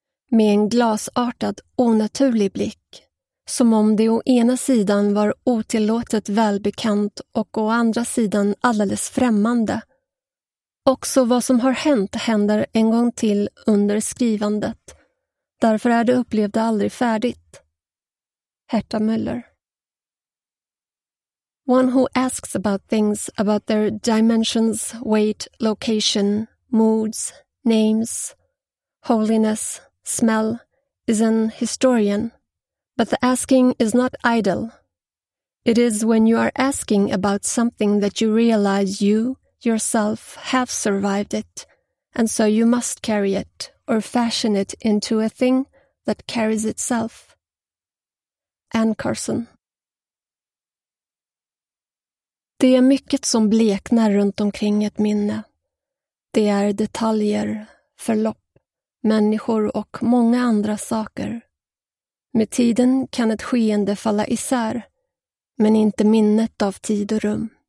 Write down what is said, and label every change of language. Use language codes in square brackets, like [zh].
[sv] Med en glasartad, onaturlig blick. Som om det å ena sidan var otillåtet välbekant och å andra sidan alldeles främmande. Också vad som har hänt händer en gång till under skrivandet. Därför är det upplevde aldrig färdigt. Herta Müller. [en] One who asks about things, about their dimensions, weight, location, moods, names, holiness, smell, is an historian. But the asking is not idle. It is when you are asking about something that you realize you, yourself, have survived it, and so you must carry it, or fashion it into a thing that carries itself. Anne Carson. [sv] Det är mycket som bleknar runt omkring ett minne. Det är detaljer, förlopp, människor och många andra saker. Med tiden kan ett skeende falla isär, men inte minnet av tid och rum.